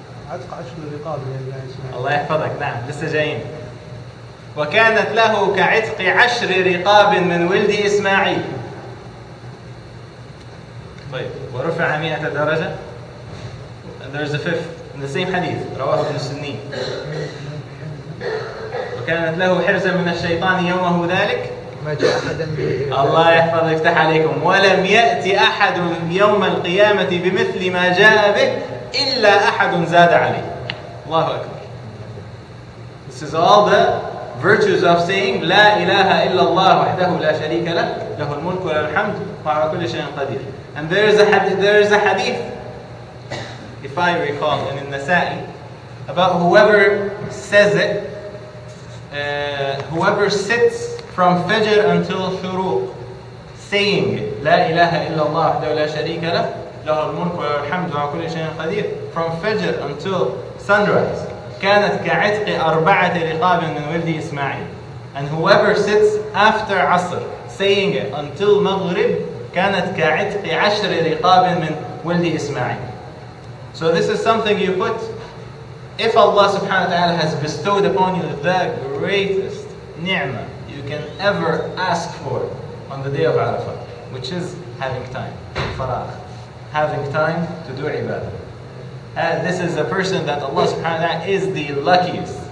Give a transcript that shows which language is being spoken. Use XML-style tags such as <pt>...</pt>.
<ar>عتق عشر رقاب لله سبحانه. الله يحفظك. نعم لسه جايين. وكانت له كعتق عشر رقاب من ولد إسماعيل. طيب ورفع 100 درجة.</ar> <en>And there's a fifth in the same حديث</en> <ar>رواه ابن السنين. وكانت له حرزا من الشيطان يومه ذلك. الله يحفظ يفتح عليكم. ولم يأتي أحد يوم القيامة بمثل ما جاء به إلا أحد زاد عليه. الله أكبر.</ar> <en>This is all the virtues of saying</en> <ar>لا إله إلا الله وحده لا شريك له له الملك وله الحمد وعلى كل شيء قدير.</ar> <en>And there is a hadith, if I recall, in النسائي about whoever says it, whoever sits from Fajr until Shuruq saying</en> <ar>لا إله إلا الله وحده لا شريك له له الملك وله الحمد وعلى كل شيء قدير</ar> <en>from Fajr until sunrise</en> <ar>كانت كعتق أربعة رقاب من ولد إسماعيل.</ar> <en>And whoever sits after عصر saying it until مغرب</en> <ar>كانت كعتق عشر رقاب من ولد إسماعيل.</ar> <en>So this is something you put if Allah subhanahu wa ta'ala has bestowed upon you the greatest ni'mah can ever ask for on the day of Arafah, which is having time, faragh. having time to do ibadah. And this is a person that Allah subhanahu wa ta'ala is the luckiest.</en>